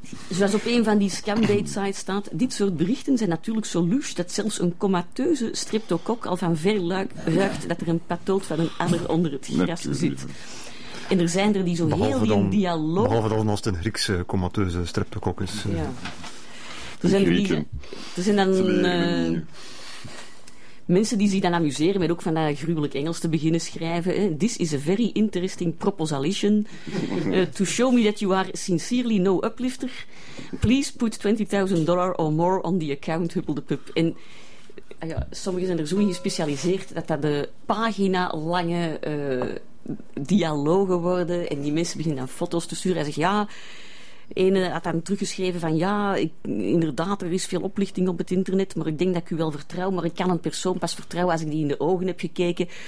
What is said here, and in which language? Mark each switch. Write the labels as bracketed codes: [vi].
[nl] Zoals op een van die scambait-sites staat, dit soort berichten zijn natuurlijk zo luxe dat zelfs een comateuze streptokok al van ver ruikt dat er een patoot van een adder onder het gras zit. En er zijn er die zo heel in dialoog... Behalve dan als het een Griekse comateuze streptokok is. Ja. Er zijn die... Er zijn dan... mensen die zich dan amuseren met ook van dat gruwelijk Engels te beginnen schrijven. Hè. [en] This is a very interesting proposition. To show me that you are sincerely no uplifter. Please put $20,000 or more on the account, [nl] huppel de pup. En ja, sommigen zijn er zo in gespecialiseerd dat dat de pagina-lange dialogen worden. En die mensen beginnen dan foto's te sturen. Hij zegt, ja, Ene had dan teruggeschreven van ja, inderdaad, er is veel oplichting op het internet, maar ik denk dat ik u wel vertrouw, maar ik kan een persoon pas vertrouwen als ik die in de ogen heb gekeken.